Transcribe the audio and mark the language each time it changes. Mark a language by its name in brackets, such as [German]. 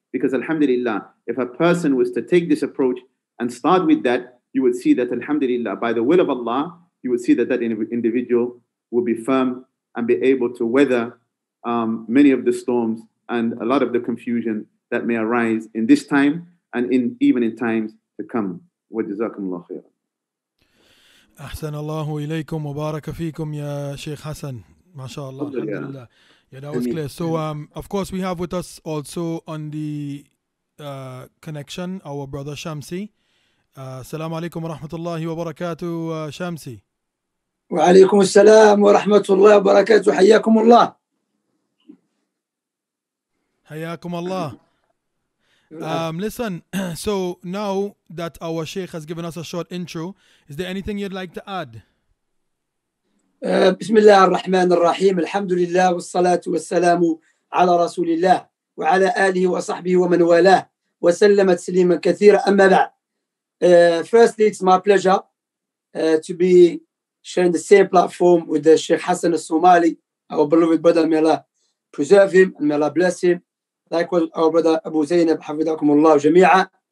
[English] Because alhamdulillah, if a person was to take this approach and start with that, you would see that alhamdulillah, by the will of Allah, you would see that that individual will be firm and be able to weather many of the storms and a lot of the confusion that may arise in this time and even in times to come. [Arabic] Wa jazakumullah khairan. أحسن الله إليكم وبارك فيكم يا شيخ حسن ما شاء الله الحمد لله. [English] Yeah, that was clear. So of course we have with us also on the connection our brother Shamsi. [Arabic] السلام عليكم ورحمة الله وبركاته Shamsi. وعليكم السلام ورحمة الله وبركاته حياكم الله. حياكم الله. [English] Listen, so now that our Sheikh has given us a short intro, is there anything you'd like to add? [Arabic] بسم الله الرحمن الرحيم الحمد لله والصلاة والسلام على رسول الله وعلى آله وصحبه ومن والاه وسلم تسليما كثيرا أما بعد [English] firstly it's my pleasure to be sharing the same platform with the Sheikh Hasan Somali our beloved brother may Allah preserve him and may Allah bless him likewise our brother Abu Zaynab [Arabic] حفظكم الله